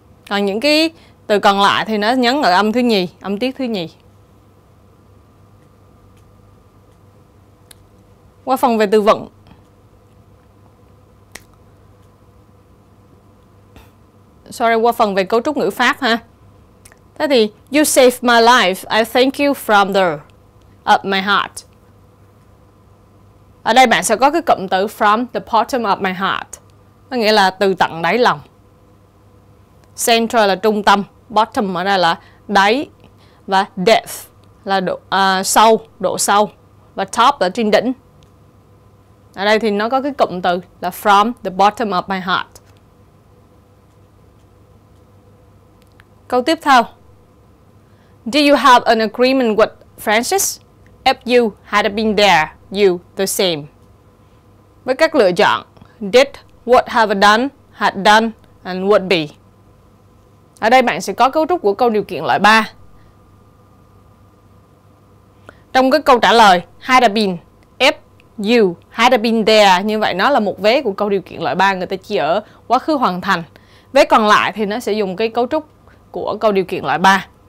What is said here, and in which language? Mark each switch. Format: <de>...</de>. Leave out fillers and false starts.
<vi>Còn những cái từ còn lại thì nó nhấn ở âm thứ nhì, âm tiết thứ nhì. Qua phần về từ vựng. Sorry, qua phần về cấu trúc ngữ pháp ha. Thế thì</vi> <en>you saved my life, I thank you from the up my heart.</en> <vi>Ở đây bạn sẽ có cái cụm từ</vi> <en>from the bottom of my heart,</en> <vi>có nghĩa là từ tận đáy lòng. Central là trung tâm, bottom ở đây là đáy, và depth là độ sâu, độ sâu, và top là trên đỉnh. Ở đây thì nó có cái cụm từ là</vi> <en>from the bottom of my heart.</en> <vi>Câu tiếp theo,</vi> <en>do you have an agreement with Francis? If you had been there, you the same.</en> <vi>Với các lựa chọn</vi> <en>did, would have done, had done and would be.</en> <vi>Ở đây bạn sẽ có cấu trúc của câu điều kiện loại 3. Trong cái câu trả lời had been,</vi> <en>if you had been there,</en> <vi>như vậy nó là một vế của câu điều kiện loại 3, người ta chỉ ở quá khứ hoàn thành. Vế còn lại thì nó sẽ dùng cái cấu trúc của câu điều kiện loại 3.</vi>